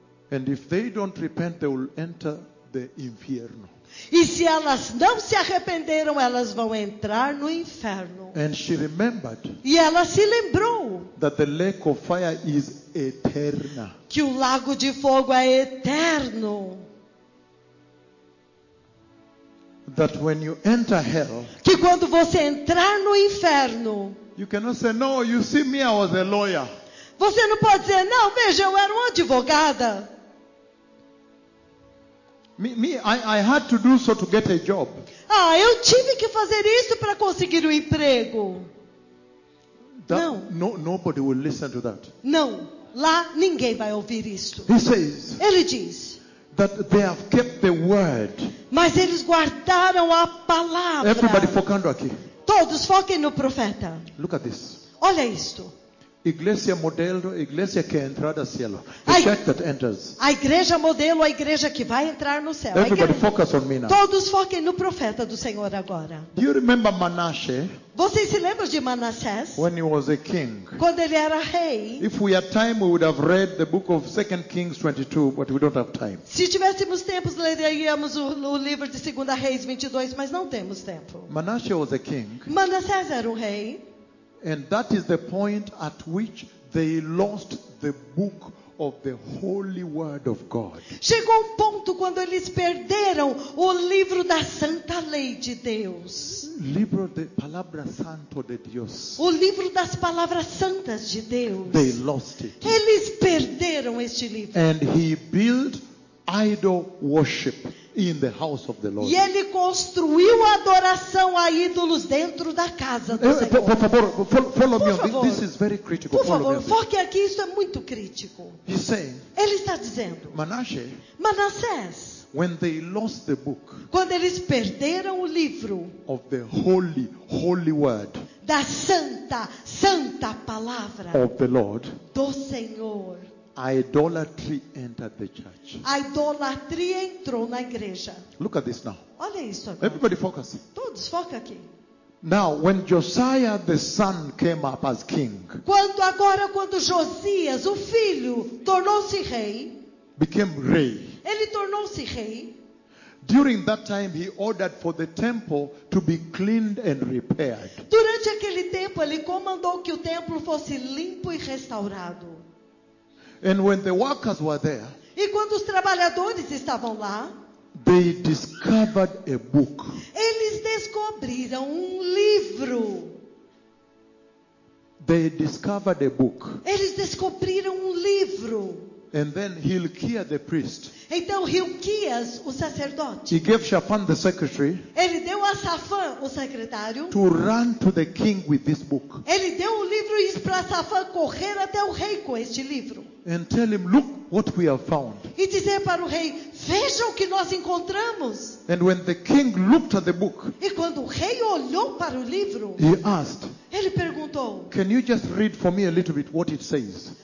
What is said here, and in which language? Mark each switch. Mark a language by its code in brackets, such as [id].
[en] And if they don't repent, they will enter the inferno. [pt] E se elas não se arrependeram, elas vão entrar no inferno. [en] And she remembered. [pt] E ela se lembrou. [en] That the lake of fire is eternal. [pt] Que o lago de fogo é eterno. [en] That when you enter hell. [pt] Que quando você entrar no inferno. [en] You cannot say, no, you see me, I was a lawyer. [pt] Você não pode dizer, não, veja, eu era uma advogada. [en] Me, I had to do so to get a job. [pt] Ah, eu tive que fazer isso para conseguir um emprego. [en] Nobody will listen to that. [pt] Não, lá ninguém vai ouvir isso. [en] He says. [pt] Ele diz. [en] That they have kept the word. [pt] Mas eles guardaram a palavra. [en] Everybody [pt] focando aqui. Todos foquem no profeta. [en] Look at this. [pt] Olha isto. [es] Iglesia modelo, iglesia que entra no cielo. [en] The church that enters. [pt] A igreja modelo, a igreja que vai entrar no céu. [en] Everybody focus on me now. [pt] Todos foquem no profeta do Senhor agora. [en] Do you remember Manasseh? [pt] Vocês se lembram de Manassés? [en] When he was a king. [pt] Quando ele era rei. [en] If we had time, we would have read the book of 2 Kings 22, but we don't have time. [pt] Se tivéssemos tempo, leríamos o livro de 2 Reis 22, mas não temos tempo. [en] Manasseh was a king. [pt] Manassés era um rei. [en] And that is the point at which they lost the book of the holy word of God. [pt] Chegou um ponto quando eles perderam o livro da santa lei de Deus. [es] Libro de palabra santo de Dios. [pt] O livro das palavras santas de Deus. [en] They lost it. [pt] Eles perderam este livro. [en] And he built idol worship in the house of the Lord. [pt] E ele construiu adoração a ídolos dentro da casa do Senhor. [es] Por favor, [en] follow me on this. This is very critical. [pt] Por favor, foque aqui, isso é muito crítico. Ele está dizendo. [en] Manassés. When they lost the book. [pt] Quando eles perderam o livro. [en] Of the holy word. [pt] Da santa palavra. [en] Of the Lord. [pt] Do Senhor. [en] Idolatry entered the church. [pt] A idolatria entrou na igreja. [en] Look at this now. [pt] Olha isso agora. [en] Everybody focus. [pt] Todos foca aqui. [en] Now, when Josiah the son came up as king. [pt] Quando Josias, o filho, tornou-se rei. [en] Became rei. [pt] Ele tornou-se rei. [en] During that time, he ordered for the temple to be cleaned and repaired. [pt] Durante aquele tempo, ele comandou que o templo fosse limpo e restaurado. [en] And when the workers were there, [pt] e quando os trabalhadores estavam lá, [en] they discovered a book. [pt] Eles descobriram um livro. [en] They discovered a book. [pt] Eles descobriram um livro. [en] And then Hilkiah the priest. [pt] Então Hilkias, o sacerdote. [en] He gave Shaphan the secretary. [pt] Ele deu a Shaphan, o secretário. [en] To run to the king with this book. [pt] Ele deu o livro e para Shaphan correr até o rei com este livro. [en] And tell him, look what we have found. [pt] E dizer para o rei, veja o que nós encontramos. [en] And when the king looked at the book. [pt] E quando o rei olhou para o livro. [en] He asked. [pt] Ele perguntou. [en] Can you just read for me a little bit what it says?